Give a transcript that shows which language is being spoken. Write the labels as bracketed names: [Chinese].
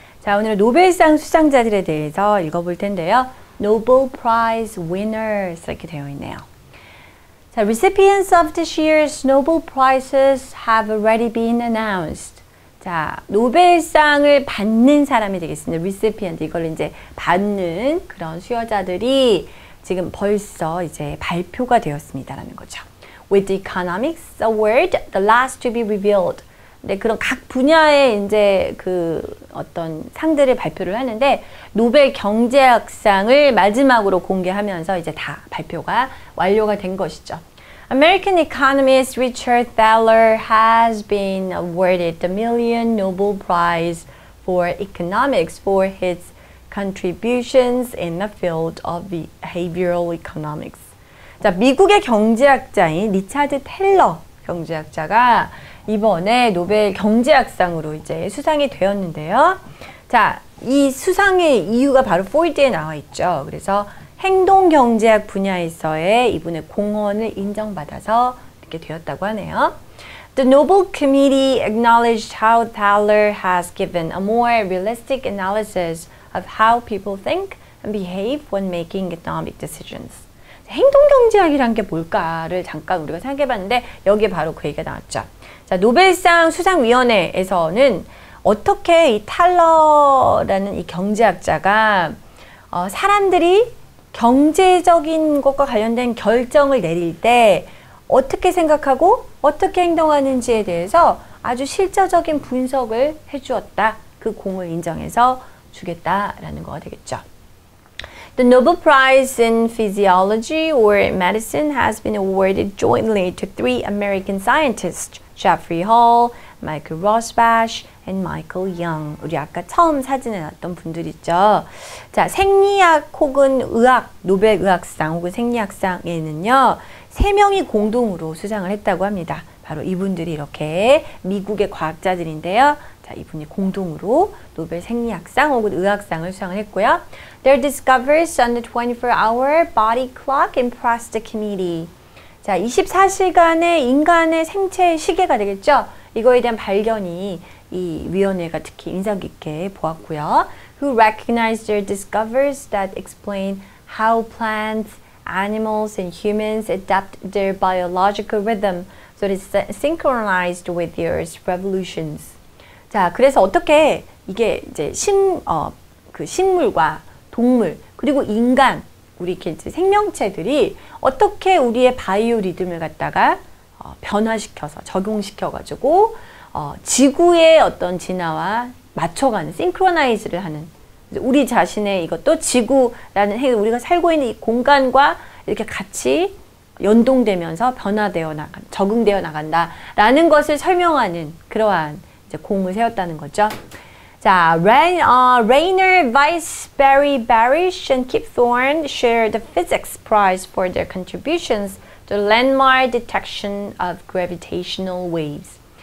[Korean] 자, 오늘은 노벨상 수상자들에 대해서 읽어볼 텐데요. [English] Nobel Prize Winners [Korean] 이렇게 되어 있네요. [English] 자, recipients of this year's Nobel Prizes have already been announced. [Korean] 자, 노벨상을 받는 사람이 되겠습니다. Recipient, 이걸 이제 받는 그런 수여자들이 지금 벌써 이제 발표가 되었습니다라는 거죠. [English] With the economics award, the last to be revealed. [Korean] 네, 그런 각 분야의 이제 그 어떤 상들을 발표를 하는데 노벨 경제학상을 마지막으로 공개하면서 이제 다 발표가 완료가 된 것이죠. [English] American economist Richard Thaler has been awarded the Million Nobel Prize for Economics for his contributions in the field of behavioral economics. [Korean] 자, 미국의 경제학자인 리차드 텔러 경제학자가 이번에 노벨 경제학상으로 이제 수상이 되었는데요. 자, 이 수상의 이유가 바로 4D에 나와 있죠. 그래서 행동 경제학 분야에서의 이분의 공헌을 인정받아서 이렇게 되었다고 하네요. [English] The Nobel Committee acknowledged how Thaler has given a more realistic analysis of how people think and behave when making economic decisions. [Korean] 행동 경제학이란 게 뭘까를 잠깐 우리가 생각해 봤는데 여기에 바로 그 얘기가 나왔죠. 자, 노벨상 수상위원회에서는 어떻게 이 탈러라는 이 경제학자가 사람들이 경제적인 것과 관련된 결정을 내릴 때 어떻게 생각하고 어떻게 행동하는지에 대해서 아주 실제적인 분석을 해주었다. 그 공을 인정해서 주겠다라는 거가 되겠죠. [English] The Nobel Prize in Physiology or Medicine has been awarded jointly to three American scientists, Jeffrey Hall, Michael Rosbach, and Michael Young. [Korean] 우리 아까 처음 사진에 놨던 분들이죠. 자, 생리학 혹은 의학, 노벨 의학상 혹은 생리학상에는요, 세 명이 공동으로 수상을 했다고 합니다. 바로 이분들이 이렇게 미국의 과학자들인데요. 자, 이분이 공동으로 노벨 생리학상 혹은 의학상을 수상을 했고요. [English] Their discoveries on the 24-hour body clock impressed the committee. [Korean] 자, 24시간의 인간의 생체 시계가 되겠죠? 이거에 대한 발견이 이 위원회가 특히 인상 깊게 보았고요. [English] Who recognized their discoveries that explain how plants, animals, and humans adapt their biological rhythm so it's synchronized with Earth's revolutions. [Korean] 자, 그래서 어떻게 이게 이제 식물과 동물, 그리고 인간, 우리 이제 생명체들이 어떻게 우리의 바이오 리듬을 갖다가 변화시켜서 적용시켜가지고 지구의 어떤 진화와 맞춰가는, 싱크로나이즈를 하는 우리 자신의 이것도 지구라는 우리가 살고 있는 이 공간과 이렇게 같이 연동되면서 변화되어 나간, 적응되어 나간다라는 것을 설명하는 그러한 공을 세웠다는 거죠. [English] 자, Rainer Weisberry Barish and Kip Thorne shared the physics prize for their contributions to landmark detection of gravitational waves.